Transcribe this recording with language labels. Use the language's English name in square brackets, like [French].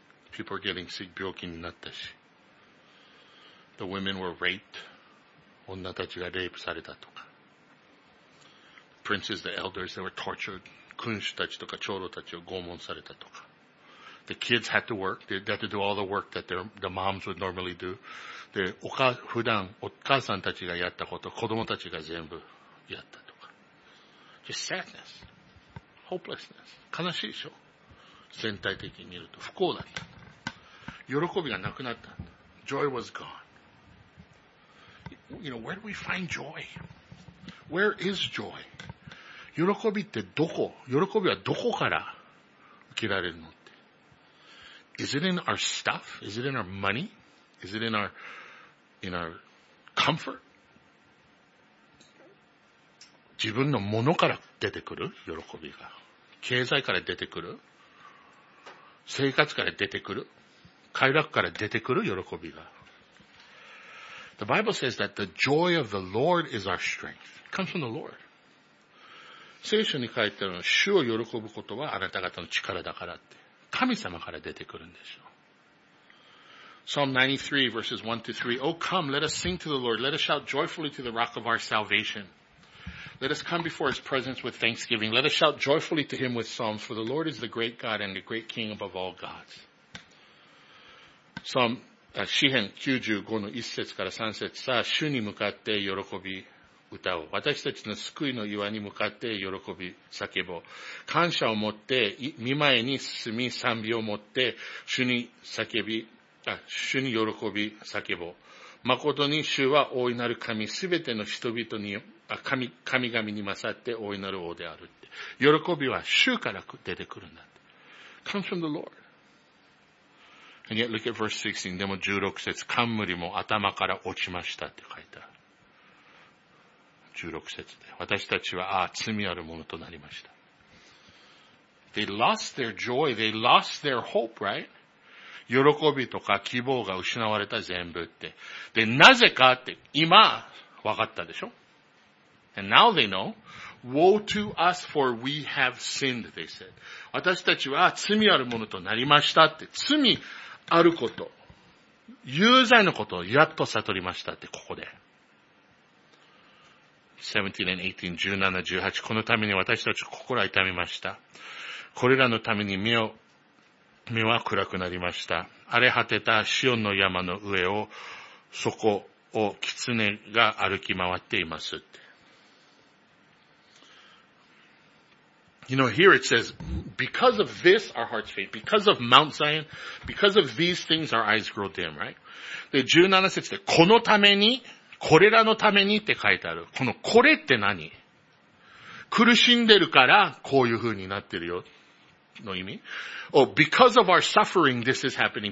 [English] People are getting sick, [Japanese] 病気になったし、 [English] The women were raped. [Japanese] 女たちがレイプされたとか、 [English] Princes, the elders, they were tortured. [Japanese] 君主たちとか長老たちを拷問されたとか、 [English] The kids had to work. They had to do all the work that the moms would normally do. [Japanese] で、普段お母さんたちがやったこと、子供たちが全部やったとか。 [English] Just sadness, hopelessness. [Japanese] 悲しいでしょ。全体的に見ると不幸だった。喜びがなくなった。 [English] Joy was gone. You know, where do we find joy? Where is joy? [Japanese] 喜びってどこ？喜びはどこから受けられるの？ [English] Is it in our stuff? Is it in our money? Is it in our comfort? [Japanese] 自分のものから出てくる喜びが。経済から出てくる？生活から出てくる？快楽から出てくる喜びが。 [English] The Bible says that the joy of the Lord is our strength. It comes from the Lord. [Japanese] 聖書に書いてあるのは、主を喜ぶことはあなた方の力だからって。神様から出てくるんでしょう。 [English] Psalm 93 verses 1 to 3. Oh come, let us sing to the Lord. Let us shout joyfully to the rock of our salvation. Let us come before his presence with thanksgiving. Let us shout joyfully to him with psalms. For the Lord is the great God and the great King above all gods. [Japanese] Psalm 95の1節から3節。さあ、主に向かって喜び。歌おう。私たちの救いの岩に向かって喜び叫ぼう。感謝を持って、見前に進み、賛美を持って、主に喜び叫ぼう。誠に主は大いなる神、すべての人々に、神々に勝って大いなる王であるって。喜びは主から出てくるんだって。 [English] Comes from the Lord. And yet look at verse 16, [Japanese] でも16節、冠も頭から落ちましたって書いてある。 16節で私たちは罪あるものとなりました。 [English] They lost their joy, they lost their hope, right? [Japanese] 喜びとか希望が失われた全部って。で、なぜかって今分かったでしょ。 [English] And now they know, woe to us for we have sinned, they said. [Japanese] 私たちは罪あるものとなりましたって、罪あること、有罪のことをやっと悟りましたってここで。 [English] 17 and 18, 17, 18. [Japanese] このために私たち心は痛みました。これらのために目は暗くなりました。荒れ果てたシオンの山の上を、そこを狐が歩き回っていますって。 [English] You know, here it says, because of this, our hearts faint. Because of Mount Zion, because of these things, our eyes grow dim, right? [Japanese] で、17節で、このために、これらのためにって書いてある。このこれって何？苦しんでるからこういう風になってるよの意味。 [English] Oh, because of our suffering, this is happening.